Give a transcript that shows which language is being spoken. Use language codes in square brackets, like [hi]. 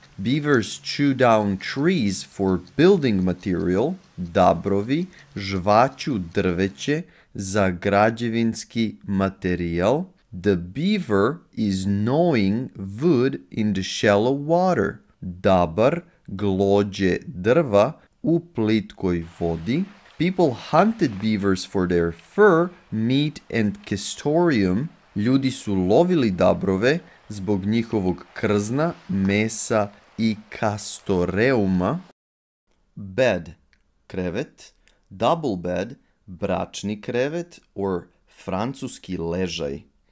[en] Beavers chew down trees for building material. [sr] Dabrovi žvaču drveće za građevinski materijal. [en] The beaver is gnawing wood in the shallow water. [sr] Dabar glođe drva u plitkoj vodi. [en] People hunted beavers for their fur, meat and castoreum. [sr] Ljudi su lovili dabrove zbog njihovog krzna, mesa i kastoreuma. [en] Bed, [sr] krevet. [en] double bed, [sr] bračni krevet, or francuski ležaj.